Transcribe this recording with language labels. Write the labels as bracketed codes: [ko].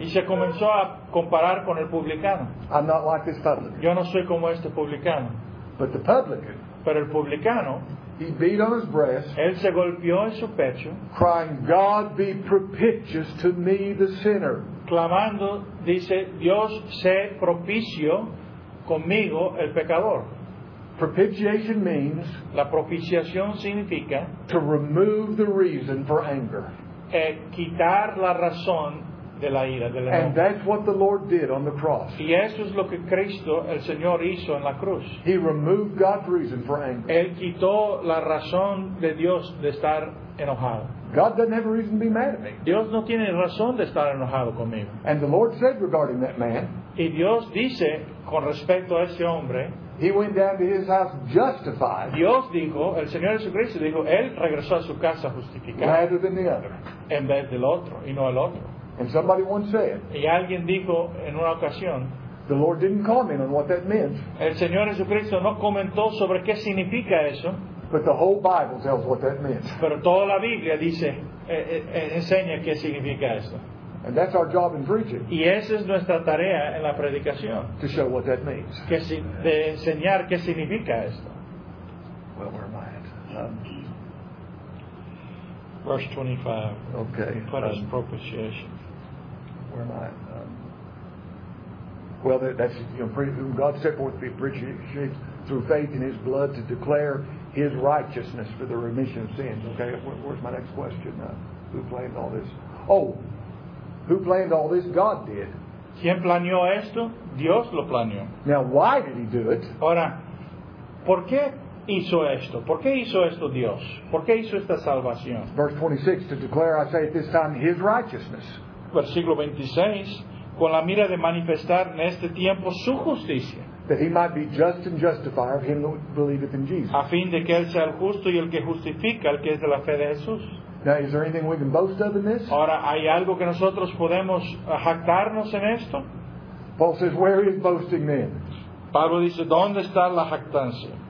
[es] Y se comenzó a comparar con el publicano. [en] I'm not like this publican. [es] Yo no soy como este publicano. [en] But the publican. [es] Pero el publicano. [en] He beat on his breast. [es] Él se golpeó en su pecho. [en] Crying, God be propitious to me the sinner. [es] Clamando, dice, Dios sé propicio conmigo el pecador. [en] Propitiation means. [es] La propiciación significa. [en] To remove the reason for anger. [es] Quitar la razón de la ira, de la [en] And That's what the Lord did on the cross. [es] Y eso es lo que Cristo, el Señor, hizo en la cruz. [en] He removed God's reason for anger. [es] Él quitó la razón de Dios de estar enojado. [en] God doesn't have a reason to be mad at me. [es] Dios no tiene razón de estar enojado conmigo. [en] And the Lord said regarding that man. [es] Y Dios dice con respecto a ese hombre. [en] He went down to his house justified. [es] Dios dijo, el Señor Jesucristo dijo, él regresó a su casa justificado. [en] Rather than the other. [es] En vez del otro, y no el otro. [en] And somebody once said. [es] Y alguien dijo en una ocasión. [en] The Lord didn't comment on what that meant. [es] El Señor Jesucristo no comentó sobre qué significa eso. [en] But the whole Bible tells what that means. [es] Pero toda la Biblia dice, enseña qué significa eso. [en] And that's our job in preaching. [es] Y esa es nuestra tarea en la predicación. [en] To show what that means. [es] Que si, de enseñar qué significa esto. [en] Well, where am I at? Verse 25. Okay. Put us propitiation. Where am I at? Well, that's, you know, whom God set forth to be appreciated through faith in His blood to declare His righteousness for the remission of sins. Okay, where's my next question? Who planned all this? Oh, who planned all this? God did. [es] ¿Quién planeó esto? Dios lo planeó. [en] Now, why did He do it? [es] Ahora, ¿por qué hizo esto? ¿Por qué hizo esto Dios? ¿Por qué hizo esta salvación? [en] Verse 26, to declare, I say at this time, His righteousness. [es] Versículo 26, con la mira de manifestar en este tiempo su justicia. [en] That he might be just and justifier of him that believeth in Jesus. [es] A fin de que él sea el justo y el que justifica el que es de la fe de Jesús. [en] Now, is there anything we can boast of in this? [es] Ahora, ¿hay algo que nosotros podemos jactarnos en esto? [en] Paul says, where is boasting then? [es] Pablo dice, ¿dónde está la jactancia?